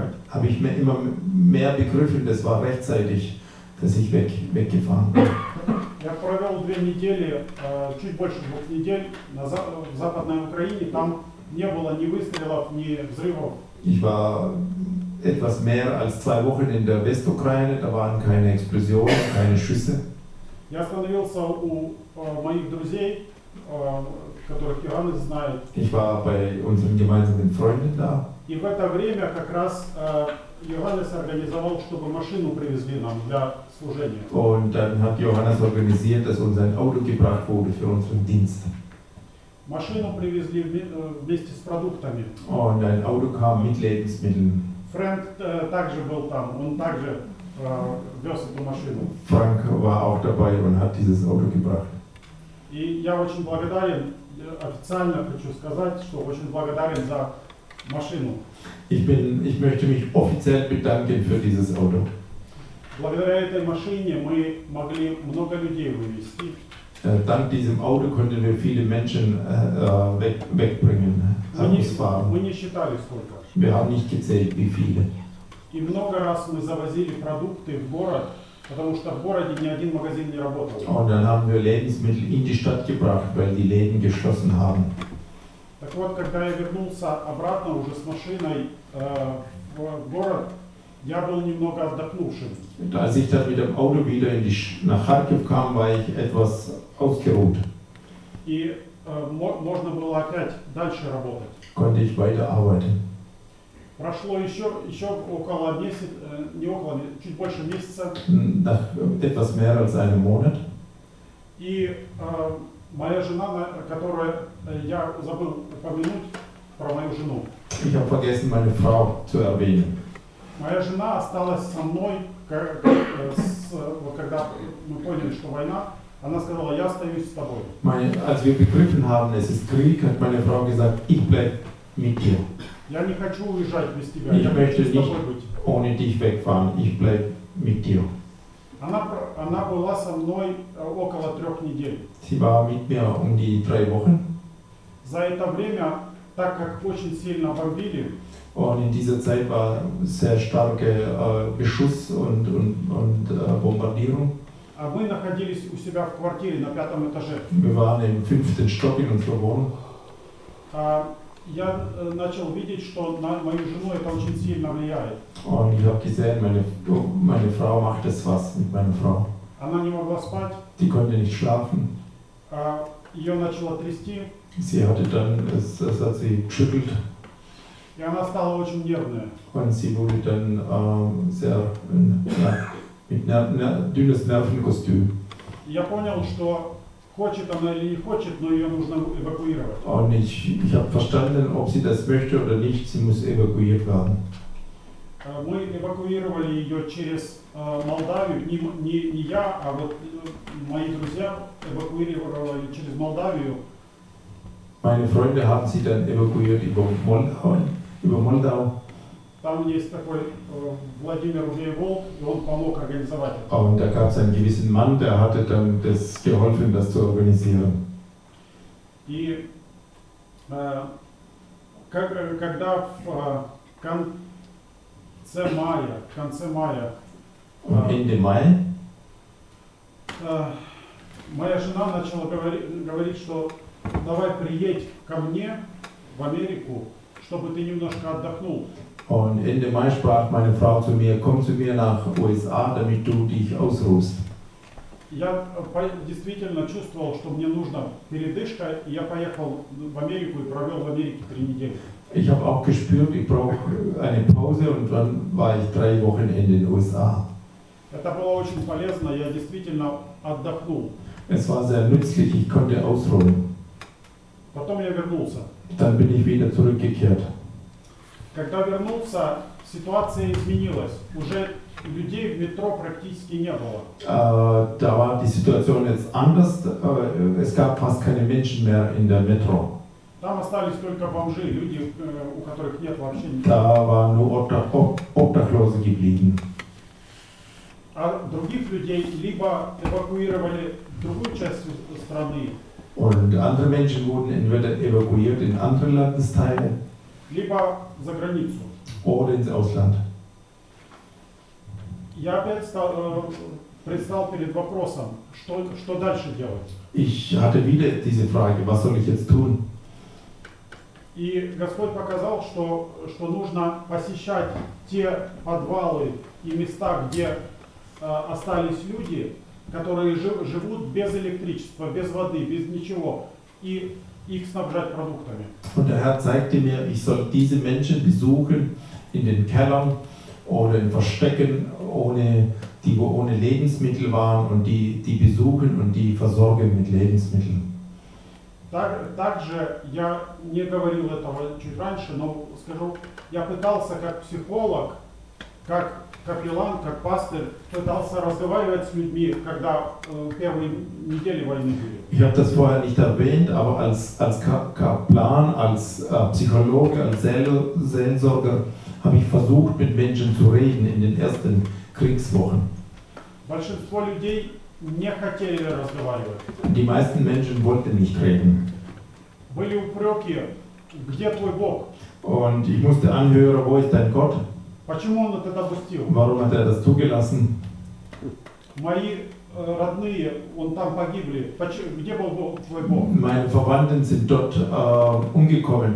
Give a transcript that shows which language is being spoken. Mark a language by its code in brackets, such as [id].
[de] Habe ich immer mehr begriffen, das war rechtzeitig, dass ich weggefahren bin. [ru] Я провел две недели, чуть больше двух недель в Западной Украине. Там не было ни выстрелов, ни взрывов. [de] Ich war etwas mehr als 2 Wochen in der Westukraine, da waren keine Explosionen, keine Schüsse. [ru] Я остановился у моих друзей, которых Йоханнес знает. [de] Ich war bei unseren gemeinsamen Freunden da. [ru] И в это время как раз Йоханнес организовал, чтобы машину привезли нам для служения. [de] Und dann hat Johannes organisiert, dass uns ein Auto gebracht wurde für unseren Dienst. [ru] Машину привезли вместе с продуктами. [de] Und ein Auto kam mit Lebensmitteln. [ru] Frank также был там, он также вез эту машину. [de] Frank war auch dabei und hat dieses Auto gebracht. [ru] И я очень благодарен, официально хочу сказать, что очень благодарен за [de] Maschine. Ich möchte mich offiziell bedanken für dieses Auto. [ru] Благодаря этой машине мы могли много людей вывести. [de] Dank diesem Auto konnten wir viele Menschen wegbringen, ausfahren. [ru] Мы не считали сколько. [de] Wir haben nicht gezählt, wie viele. [ru] И много раз мы завозили продукты в город, потому что в городе ни один магазин не работал. [de] Und dann haben wir Lebensmittel in die Stadt gebracht, weil die Läden geschlossen haben. [ru] Так вот, когда я вернулся обратно уже с машиной в город, я был немного отдохнувшим. [de] Als ich dann mit dem Auto wieder in die nach Kharkiv kam, war ich etwas ausgeruht. [ru] И можно было опять дальше работать. [de] Konnte ich weiter arbeiten. [ru] Прошло еще около месяца, не около, чуть больше месяца. [de] Nach etwas mehr als einem Monat. [ru] И моя жена, которую я забыл упомянуть про мою жену. [de] Ich habe vergessen, meine Frau zu erwähnen. [ru] Моя жена осталась со мной, когда мы поняли, что война. Она сказала, я остаюсь с тобой. [de] Als wir begriffen haben, es ist Krieg, hat meine Frau gesagt, ich bleib mit dir. [ru] Я не хочу уезжать без тебя. [de] Ich möchte nicht ohne dich wegfahren. Ich bleib mit dir. [ru] Она была со мной около трех недель. [de] Sie war mit mir die drei Wochen. [ru] За это время, так как очень сильно бомбили. [de] Und in dieser Zeit war sehr starke Beschuss und Bombardierung. [ru] А мы находились у себя в квартире на пятом этаже. [de] Wir waren im fünften Stock in unserer Wohnung. [ru] Я начал видеть, что на мою жену это очень сильно влияет. [de] Und ich habe gesehen, meine Frau macht das was mit meiner Frau. [ru] Она не могла спать. [de] Die konnte nicht schlafen. [ru] Ее начало трясти. [de] Sie hatte dann, es hat sie geschüttelt. [ru] И она стала очень нервная. [de] Und sie wurde dann sehr mit dünnes Nervenkostüm. [ru] Я понял, что хочет она или не хочет, но ее нужно эвакуировать. [de] Und ich habe verstanden, ob sie das möchte oder nicht, sie muss evakuiert werden. [ru] Мы эвакуировали ее через Молдавию. Не я, а вот мои друзья эвакуировали через Молдавию. [de] Meine Freunde haben sie dann evakuiert über Moldau. [ru] Там есть такой Владимир Гейволк, и он помог организовать это. [de] Und da gab es einen gewissen Mann, der hatte dann das geholfen, das zu organisieren. [ru] И когда в конце мая, [de] Ende Mai, [ru] моя жена начала говорить, что давай приедь ко мне в Америку, чтобы ты немножко отдохнул. [de] Und Ende Mai sprach meine Frau zu mir, komm zu mir nach USA, damit du dich ausruhst. [ru] Я действительно чувствовал, что мне нужна передышка, и я поехал в Америку и провел в Америке три недели. [de] Ich habe auch gespürt, ich brauche eine Pause, und dann war ich drei Wochen in den USA. [ru] Это было очень полезно, я действительно отдохнул. [de] Es war sehr nützlich, ich konnte ausruhen. [ru] Потом я вернулся. [de] Dann bin ich wieder zurückgekehrt. [ru] Когда вернулся, ситуация изменилась. Уже людей в метро практически не было. [de] Da war die Situation jetzt anders. Es gab fast keine Menschen mehr in der Metro. [ru] Там остались только бомжи, люди, у которых нет вообще ничего. [de] Da waren nur Obdachlose geblieben. [ru] А других людей либо эвакуировали в другую часть страны. [de] Und andere Menschen wurden entweder evakuiert in andere Landesteile. [ru] Либо за границу. [de] Oder ins Ausland. [ru] Я опять предстал перед вопросом, что дальше делать. [de] Ich hatte wieder diese Frage, was soll ich jetzt tun? [ru] И Господь показал, что нужно посещать те подвалы и места, где остались люди, которые живут без электричества, без воды, без ничего, и их снабжать продуктами. [de] Und der Herr zeigte mir, ich soll diese Menschen besuchen in den Kellern oder in Verstecken, ohne Lebensmittel waren, und die besuchen und die versorgen mit Lebensmitteln. [ru] Также я не говорил этого чуть раньше, но скажу, я пытался как психолог, как капеллан, как пастор пытался разговаривать с людьми, когда первые недели войны были. [de] Ich habe das vorher nicht erwähnt, aber als Kaplan, als Psychologe, als Seelsorger habe ich versucht, mit Menschen zu reden in den ersten Kriegswochen. [ru] Большинство людей не хотели разговаривать. [de] Die meisten Menschen wollten nicht reden. [ru] Были упреки, где твой Бог? [de] Und ich musste anhören, wo ist dein Gott? [ru] Почему он это допустил? [de] Warum hat er das zugelassen? [ru] Мои родные, он там погибли. Где был твой Бог? [de] Meine Verwandten sind dort umgekommen.